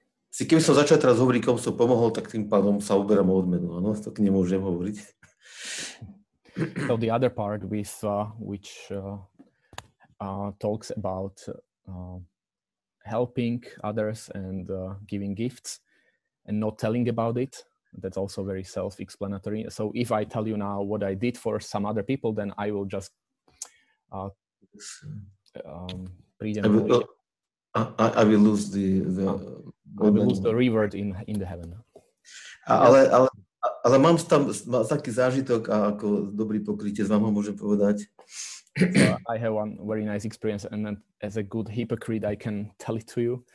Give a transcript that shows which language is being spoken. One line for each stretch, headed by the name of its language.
Slovak: Keby som začal teraz hovoriť, komu som pomohol, tak tým pádom sa uberám o odmenu. Ano, to nemôžem hovoriť.
English: So the other part which talks about helping others and giving gifts and not telling about it. That's also very self-explanatory. So if I tell you now what I did for some other people, then I will just I will lose the reward in heaven.
Slovak: Ale mám tam taký zážitok a ako dobrý pokrytec vám ho môžem povedať.
English: So I have one very nice experience and as a good hypocrite I can tell it to you.